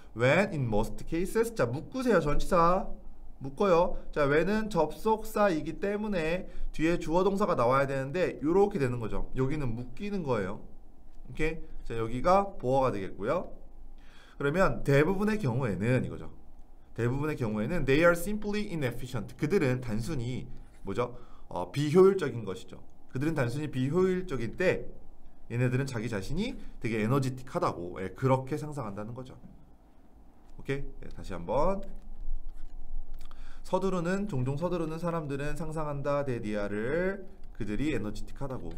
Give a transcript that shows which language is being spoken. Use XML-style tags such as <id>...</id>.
<en>when in most cases.</en> <ko>자, 묶으세요. 전치사 묶어요. 자, when은 접속사이기 때문에 뒤에 주어 동사가 나와야 되는데 이렇게 되는 거죠. 여기는 묶이는 거예요. 오케이. 자, 여기가 보어가 되겠고요. 그러면 대부분의 경우에는 이거죠. 대부분의 경우에는</ko> <en>they are simply inefficient.</en> <ko>그들은 단순히 뭐죠? 비효율적인 것이죠. 그들은 단순히 비효율적일 때 얘네들은 자기 자신이 되게 에너지틱하다고, 예, 그렇게 상상한다는 거죠. 오케이. 예, 다시 한번. 서두르는, 종종 서두르는 사람들은 상상한다. 데디아를 그들이 에너지틱하다고.</ko>